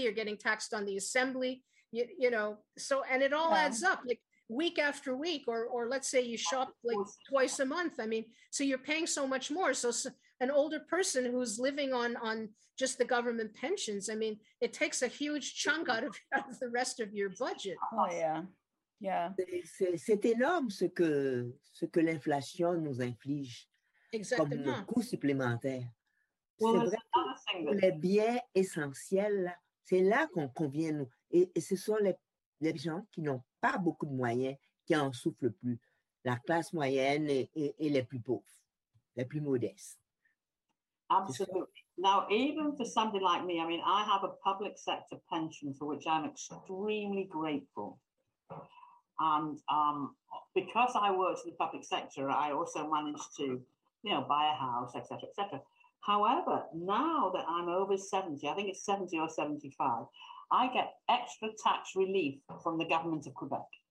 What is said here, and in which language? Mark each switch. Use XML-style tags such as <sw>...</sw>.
<en>You're getting taxed on the assembly, you know, so, and it all adds up. Like, week after week, or let's say you shop like twice a month. I mean, so you're paying so much more. So an older person who's living on just the government pensions, I mean, it takes a huge chunk out of the rest of your budget. Oh, yeah.</en> <fr>C'est énorme ce que l'inflation nous inflige. Exactement. Comme coût supplémentaire. Well, c'est vrai que les biens essentiels, c'est là qu'on vient nous. Et ce sont les gens qui n'ont pas beaucoup de moyens qui en souffrent plus, la classe moyenne et les plus pauvres, les plus modestes.</fr> <en>Absolutely. Now, even for somebody like me, I mean, I have a public sector pension for which I'm extremely grateful. And because I worked in the public sector, I also managed to, you know, buy a house, et cetera, et cetera. However, now that I'm over 70, I think it's 70 or 75, I get extra tax relief from the government of Quebec.</en>